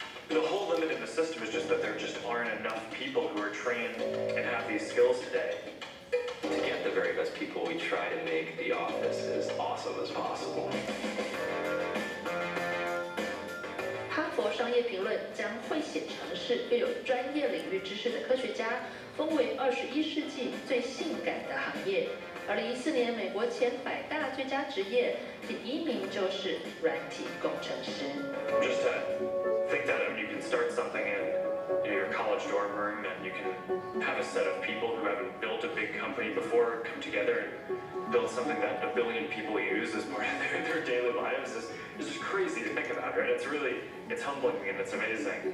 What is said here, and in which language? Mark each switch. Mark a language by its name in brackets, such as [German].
[English] The whole limit in the system is just that there just aren't enough people who are trained and have these skills today. To get the very best people, we try to make the office as awesome as possible. [Chinese] 哈佛商业评论将会写城市又有专业领域知识的科学家封为21世纪最性感的行业。 2014年美国前百大最佳职业第一名就是软体工程师。 [English] Just to think that you can start something in. Your college dorm room, and you can have a set of people who haven't built a big company before come together and build something that 1 billion people use as part of their daily lives is just crazy to think about, right? It's humbling and it's amazing.